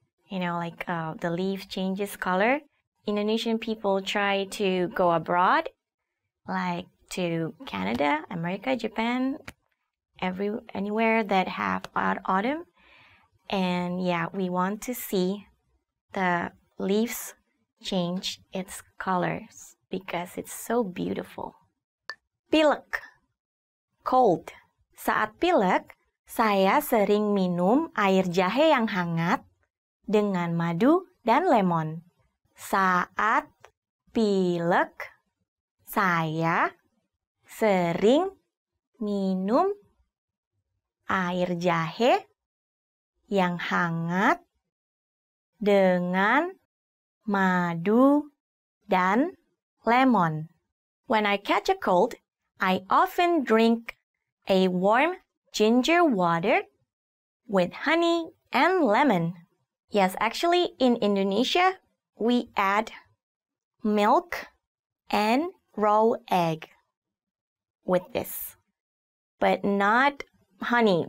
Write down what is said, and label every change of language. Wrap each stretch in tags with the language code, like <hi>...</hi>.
<en>You know, like the leaves changes color. Indonesian people try to go abroad, like to Canada, America, Japan, anywhere that have autumn. And yeah, we want to see the leaves change its colors because it's so beautiful.</en> <id>Pilek, cold. Saat pilek, saya sering minum air jahe yang hangat dengan madu dan lemon. Saat pilek, saya sering minum air jahe yang hangat dengan madu dan lemon.</id> <en>When I catch a cold, I often drink a warm ginger water with honey and lemon. Yes, actually in Indonesia, we add milk and raw egg with this, but not honey.</en>